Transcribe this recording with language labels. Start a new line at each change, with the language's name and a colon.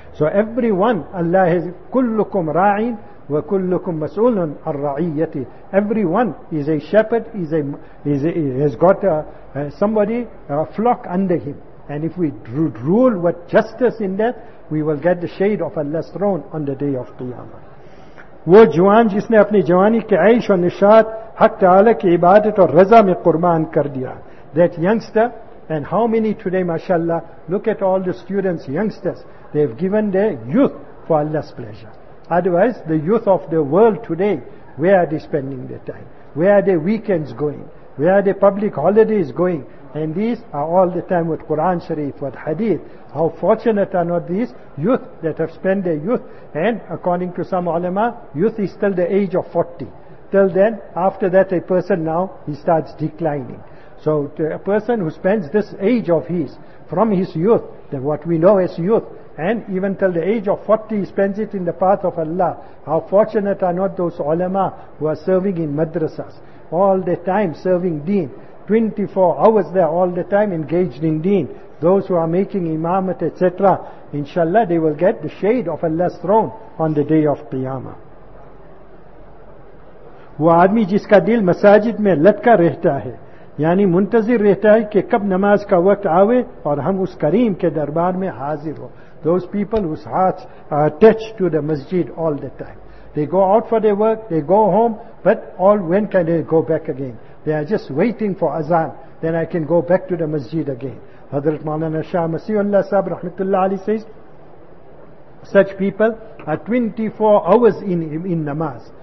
English: So everyone, Allah has
Arabic: kullukum ra'in wa kullukum mas'ulun ar-ra'iyyati.
English: Everyone is a shepherd, has got a flock under him. And if we rule with justice in that, we will get the shade of Allah's throne on the day of Qiyamah.
Urdu: وہ جوان جس نے اپنی جوانی کے عیش و نشاط حق تعالی کی عبادت اور رضا میں قربان کر دیا.
English: That youngster, and how many today, mashallah, look at all the students, youngsters, they have given their youth for Allah's pleasure. Otherwise, the youth of the world today, where are they spending their time? Where are their weekends going? Where are their public holidays going? And these are all the time with Quran Sharif, with Hadith. How fortunate are not these youth that have spent their youth. And according to some ulama, youth is till the age of 40. Till then, after that, a person now, he starts declining. So a person who spends this age of his, from his youth, that what we know as youth, and even till the age of 40, he spends it in the path of Allah. How fortunate are not those ulama who are serving in madrasas, all the time serving deen. 24 hours there all the time engaged in deen. Those who are making imamat, etc., inshallah, they will get the shade of Allah's throne on the day of Qiyamah.
Urdu: وہ آدمی جس کا دل مساجد میں لٹکا رہتا ہے یعنی منتظر رہتا ہے کہ کب نماز کا وقت آوے اور ہم اس کریم کے دربار میں حاضر ہو.
English: Those people whose hearts are attached to the masjid all the time. They go out for their work, they go home, but all when can they go back again? They are just waiting for azan. Then I can go back to the masjid again. Hazrat Maulana Shah Masihullah Sahib Rahmatullah Ali says, such people are 24 hours in namaz.